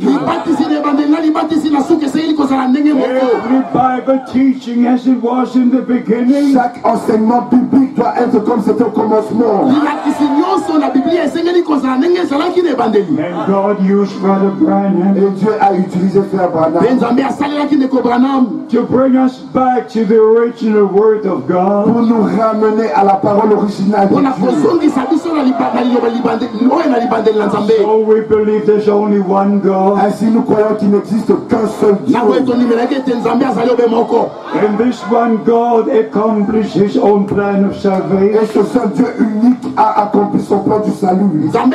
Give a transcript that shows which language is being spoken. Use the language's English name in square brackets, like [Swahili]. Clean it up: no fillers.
[English] Every Bible teaching as it was in the beginning. [French] Chaque enseignement biblique doit être comme c'était au commencement. [English] And God used Brother Branham. [French] Et Dieu a utilisé Frère Branham. [English] To bring us back to the original Word of God. [French] Pour nous ramener à la parole originale. [English] So we believe there's only one God. [French] Ainsi nous croyons qu'il n'existe qu'un seul Dieu. [English] And this one God accomplished his own plan of salvation. [French] Et ce seul Dieu unique a accompli son plan du salut.